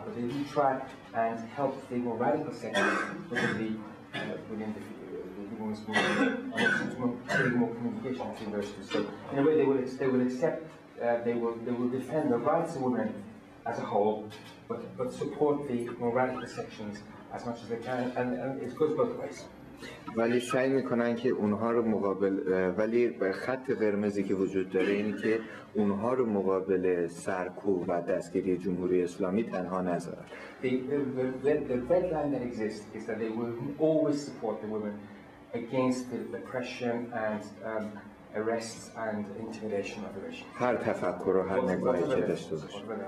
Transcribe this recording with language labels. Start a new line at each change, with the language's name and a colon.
English: But they do try and help the more radical sections within the women's movement and more communication between those two. So, in a way, they will defend the rights of women as a whole. But support the more radical sections as much as they can, and it goes both ways.
Persian: ولی سعی میکنن که اونها رو مقابل ولی خط قرمزی که وجود داره اینه که اونها رو مقابل سرکوب و دستگیری جمهوری اسلامی تنها نذارن.
English: The red line that exists is that they will always support the women against the oppression and arrests and intimidation of the regime.
Persian: هر تفکر و هر نگاهی که داشته باشه.